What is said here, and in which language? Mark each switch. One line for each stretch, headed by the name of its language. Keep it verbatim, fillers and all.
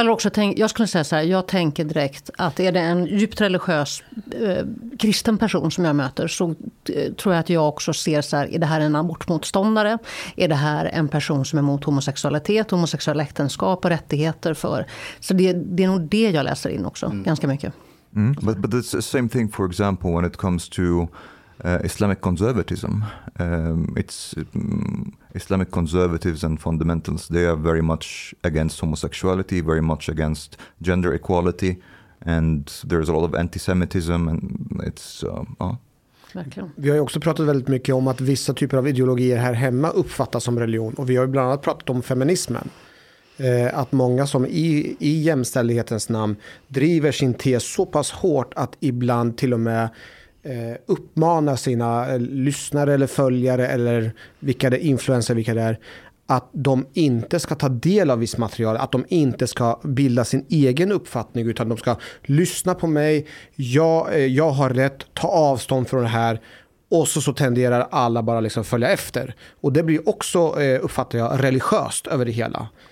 Swedish: Eller också tänk, jag skulle säga så här, jag tänker direkt att är det en djupt religiös eh, kristen person som jag möter så eh, tror jag att jag också ser så här, är det här en abortmotståndare? Är det här en person som är emot homosexualitet, homosexuella äktenskap och rättigheter för? Så det, det är nog det jag läser in också, mm. ganska mycket. Mm.
English: But, but it's the same thing for example when it comes to Uh, Islamic conservatism. Um, it's um, Islamic conservatives and fundamentalists. They are very much against homosexuality, very much against gender equality, and there's a lot of anti-Semitism. And it's. Um, uh.
Swedish: Vi har ju också pratat väldigt mycket om att vissa typer av ideologier här hemma uppfattas som religion, och vi har ju bland annat pratat om feminismen. Att många som i, i jämställdhetens namn driver sin tes så pass hårt att ibland till och med uppmana sina lyssnare eller följare eller vilka det är, influencer, vilka det är, att de inte ska ta del av viss material, att de inte ska bilda sin egen uppfattning utan de ska lyssna på mig, jag, jag har rätt, ta avstånd från det här, och så, så tenderar alla bara liksom följa efter, och det blir också, uppfattar jag, religiöst över det hela.